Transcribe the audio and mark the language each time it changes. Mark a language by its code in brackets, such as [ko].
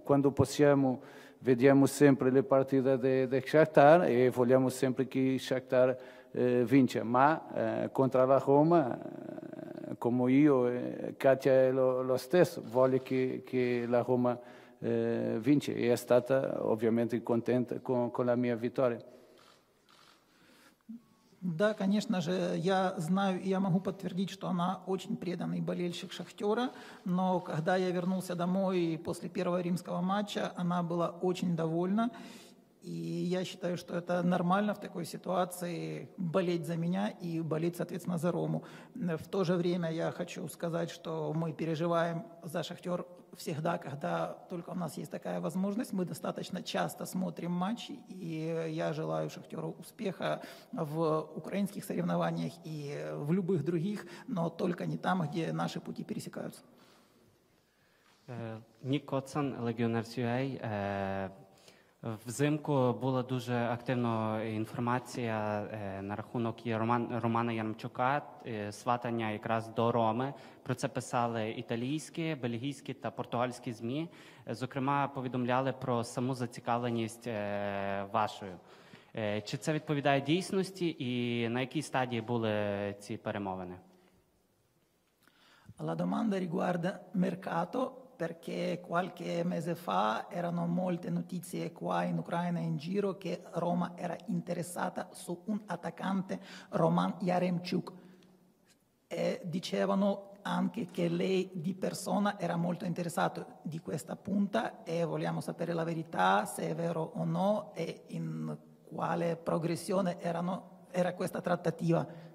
[it] Quando possiamo, vediamo sempre le partite di Shakhtar e vogliamo sempre che Shakhtar vince. Ma contro la Roma, come io, Katia è lo stesso, vuole che la Roma vince, [ru] и стала, [es] obviamente, [it] contenta con la mia vittoria. [ru] Да, конечно же, я знаю, я могу подтвердить, что она очень преданный болельщик «Шахтера», но когда я вернулся домой после первого римского матча, она была очень довольна, и я считаю, что это нормально в такой ситуации болеть за меня и болеть, соответственно, за Рому. В то же время я хочу сказать, что мы переживаем за «Шахтер» всегда, когда только у нас есть такая возможность. Мы достаточно часто смотрим матчи, и я желаю «Шахтеру» успеха в украинских соревнованиях и в любых других, но только не там, где наши пути пересекаются. [uk] Ник Котсон, Legionnaires.ua. Взимку була дуже активна інформація на рахунок Романа Ярмчука, сватання якраз до Роми. Про це писали італійські, бельгійські та португальські ЗМІ. Зокрема, повідомляли про саму зацікавленість вашою. Чи це відповідає дійсності і на якій стадії були ці перемовини? [it] La domanda riguarda mercato, perché qualche mese fa erano molte notizie qua in Ucraina in giro che Roma era interessata su un attaccante, Roman Yaremchuk. E dicevano anche che lei di persona era molto interessato di questa punta e vogliamo sapere la verità, se è vero o no, e in quale progressione era questa trattativa.